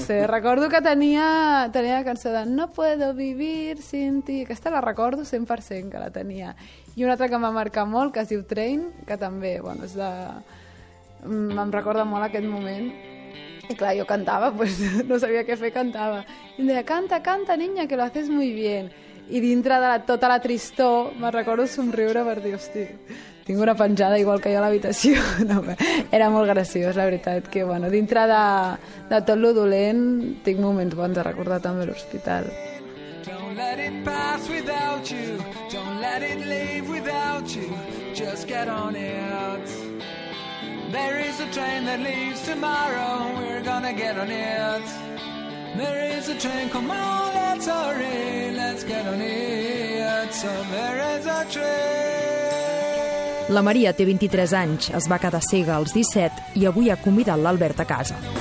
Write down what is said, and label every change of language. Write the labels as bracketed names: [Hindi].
[Catalan] Recordo que tenia la cançó de No puedo vivir sin ti. Aquesta la recordo 100% que la tenia. I una altra que em va marcar molt, que es diu Train, que també bueno, és de... em recorda molt aquest moment. I clar, jo cantava, pues, no sabia què fer, cantava. I em deia, [Spanish] canta, canta, niña, que lo haces muy bien. [Catalan] I dintre de tota la tristor, me recordo somriure per dir, hosti, tinc una penjada igual que jo a l'habitació. No, era molt graciós, la veritat, que bueno, dintre de tot lo dolent, tinc moments bons a recordar també l'hospital. [English] Don't let it pass without you. Don't let it leave without you. Just get on it. There is a train that leaves tomorrow, we're gonna get on it. There is a train, come on, let's hurry, let's get on it. So there is a train. [Catalan] La Maria té 23 anys, es va quedar cega als 17 i avui ha convidat l'Albert a casa.